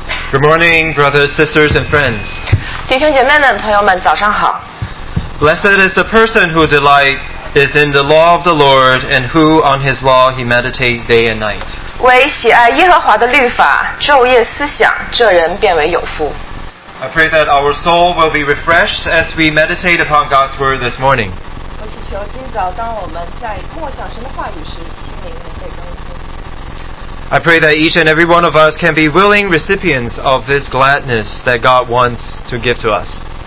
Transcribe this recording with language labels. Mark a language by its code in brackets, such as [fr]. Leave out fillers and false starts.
[en] Good morning, brothers, sisters, and friends. [zh] 弟兄姐妹们，朋友们，早上好。 [en] Blessed is the person who delights is in the law of the Lord, and who on His law he meditates day and night. [zh] 为喜爱耶和华的律法，昼夜思想，这人变为有福。 [en] I pray that our soul will be refreshed as we meditate upon God's word this morning. [zh] 我祈求今早当我们在默想神的话语时，心灵能被更新。 [en] I pray that each and every one of us can be willing recipients of this gladness that God wants to give to us.